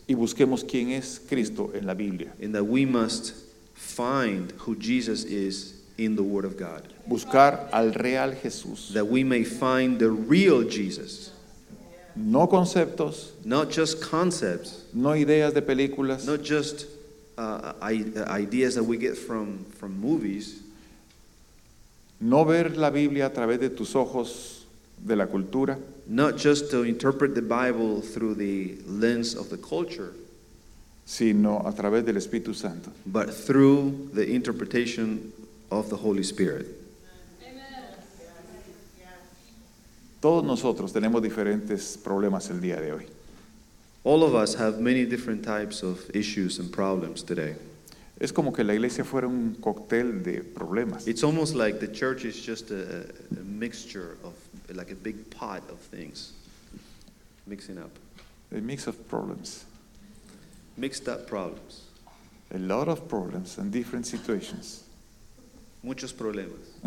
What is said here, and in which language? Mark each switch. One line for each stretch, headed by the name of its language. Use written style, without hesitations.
Spanish: Y busquemos quién es Cristo en la Biblia.
English: And that we must find who Jesus is in the Word of God.
Spanish: Buscar al real Jesús.
English: That we may find the real Jesus.
Spanish: No conceptos.
English: Not just concepts.
Spanish: No ideas de películas.
English: Not just ideas that we get from movies.
Spanish: No ver la Biblia a través de tus ojos de la cultura.
English: Not just to interpret the Bible through the lens of the culture,
Spanish: sino a través del Espíritu Santo.
English: But through the interpretation of the Holy Spirit.
Spanish: Todos nosotros tenemos diferentes problemas el día de hoy.
English: All of us have many different types of issues and problems today.
Spanish: Es como que la iglesia fuera un cóctel de problemas.
English: It's almost like the church is just a mixture of, like a big pot of things mixing up. A mix of problems. Mixed up problems. A lot of problems and different situations.
Spanish: Muchos problemas.